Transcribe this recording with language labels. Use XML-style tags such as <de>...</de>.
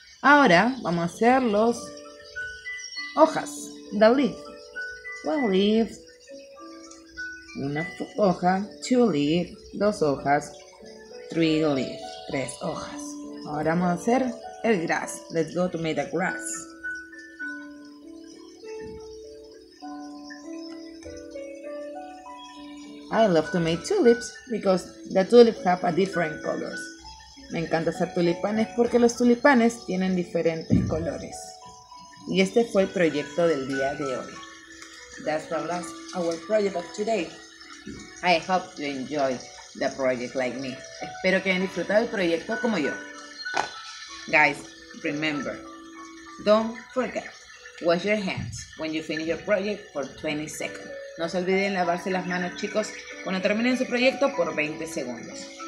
<es>Ahora vamos a hacer los hojas,</es> <en>the leaf, one leaf,</en> <es>una hoja,</es> <en>two leaf,</en> <es>dos hojas,</es> <en>three leaf,</en> <es>tres hojas. Ahora vamos a hacer el grass.</es> <en>Let's go to make the grass. I love to make tulips because the tulips have a different colors.</en> <es>Me encanta hacer tulipanes porque los tulipanes tienen diferentes colores. Y este fue el proyecto del día de hoy.</es> <en>That's the last our project of today. I hope you enjoy the project like me.</en> <es>Espero que hayan disfrutado el proyecto como yo.</es> <en>Guys, remember, don't forget, wash your hands when you finish your project for 20 seconds.</en> <es>No se olviden lavarse las manos, chicos, cuando terminen su proyecto por 20 segundos.</es>